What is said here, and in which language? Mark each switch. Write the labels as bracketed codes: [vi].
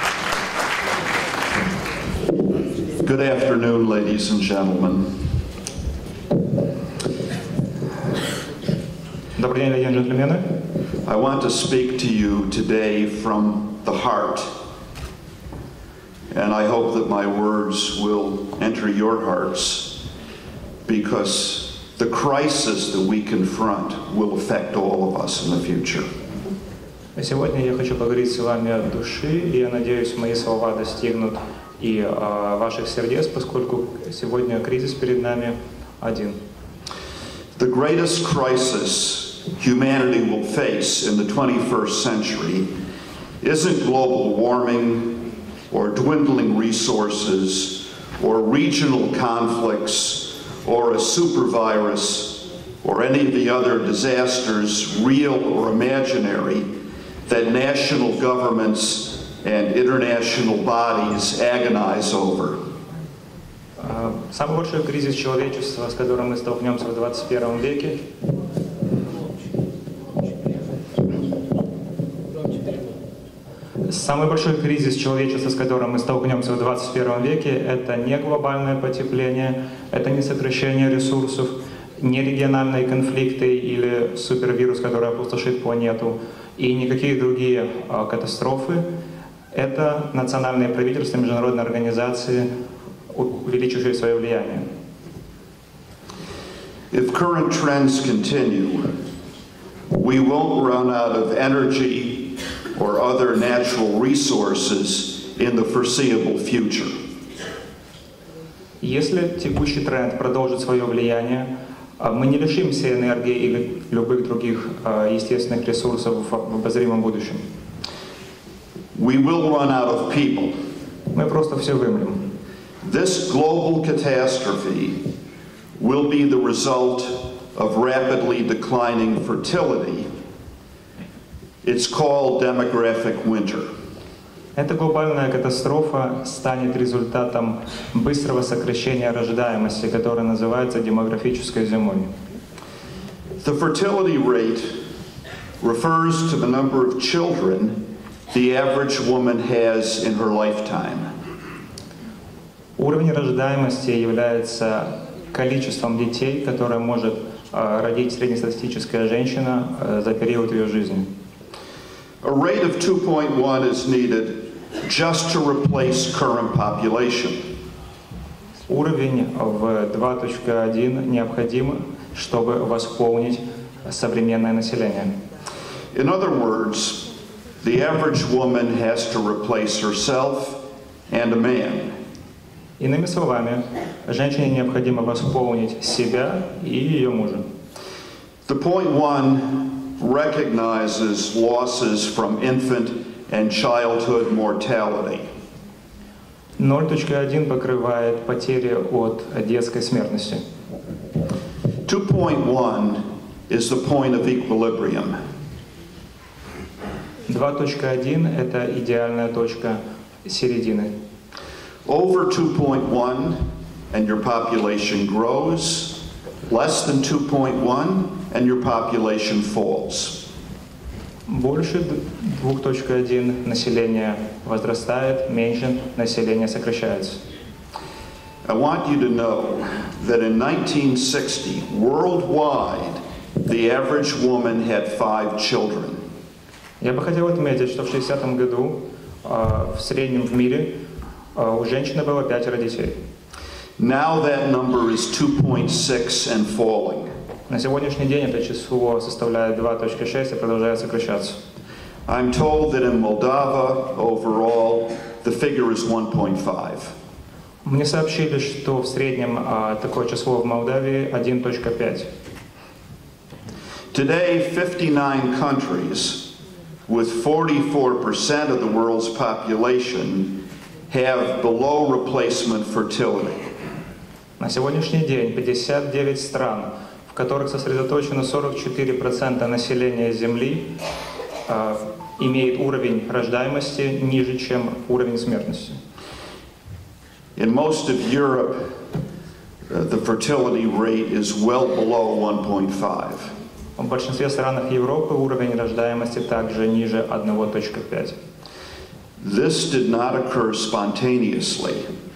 [en] Good afternoon, ladies and gentlemen. [ru] Добрый день, леди и джентльмены. [en] I want to speak to you today from the heart. And I hope that my words will enter your hearts because the crisis that we confront will affect all of us in the future. [ru] Сегодня я хочу поговорить с вами от души, и я надеюсь, мои слова достигнут и ваших сердец, поскольку сегодня кризис перед нами один. [en] The greatest crisis humanity will face in the 21st century isn't global warming, or dwindling resources, or regional conflicts, or a super virus, or any of the other disasters, real or imaginary, that national governments and international bodies agonize over. [ru] Самый большой кризис человечества, с которым мы столкнемся в 21 веке. Самый большой кризис человечества, с которым мы столкнемся в 21 веке, это не глобальное потепление, это не сокращение ресурсов, не региональные конфликты или супервирус, который опустошит планету, и никакие другие катастрофы. Это национальные правительства, международные организации, увеличившие свое влияние. [en] If current trends continue, we won't run out of energy or other natural resources in the foreseeable future. [ru] Если текущий тренд продолжит свое влияние, мы не лишимся энергии или любых других естественных ресурсов в обозримом будущем. [en] We will run out of people. [ru] Мы просто все вымрем. [en] This global catastrophe will be the result of rapidly declining fertility. It's called demographic winter. [ru] Эта глобальная катастрофа станет результатом быстрого сокращения рождаемости, которое называется демографической зимой. [en] The fertility rate refers to the number of children the average woman has in her lifetime. [ru] Уровень рождаемости является количеством детей, которое может родить среднестатистическая женщина за период ее жизни. [en] A rate of 2.1 is needed just to replace current population. [ru] Уровень в 2.1 необходим, чтобы восполнить современное население. [en] In other words, the average woman has to replace herself and a man. [ru] Иными словами, женщине необходимо восполнить себя и ее мужа. [en] The 0.1 recognizes losses from infant and childhood mortality. [ru] 0.1 покрывает потери от детской смертности. [en] 2.1 is the point of equilibrium. [ru] 2.1 это идеальная точка середины. [en] Over 2.1 and your population grows. Less than 2.1 and your population falls. [ru] Больше 2.1 население возрастает, меньше население сокращается. [en] I want you to know that in 1960, worldwide, the average woman had 5 children. [ru] Я бы хотел отметить, что в 60-м году в среднем в мире у женщины было 5 детей. [en] Now that number is 2.6 and falling. [ru] На сегодняшний день это число составляет 2.6 и продолжает сокращаться. [en] I'm told that in Moldova overall the figure is 1.5. [ru] Мне сообщили, что в среднем такое число в Молдавии 1.5. [en] Today 59 countries with 44% of the world's population, have below replacement fertility. [ru] На сегодняшний день 59 стран, в которых сосредоточено 44% населения Земли, имеет уровень рождаемости ниже, чем уровень смертности. [en] In most of Europe, the fertility rate is well below 1.5. [ru] В большинстве стран Европы уровень рождаемости также ниже 1.5. [en] This did not occur spontaneously.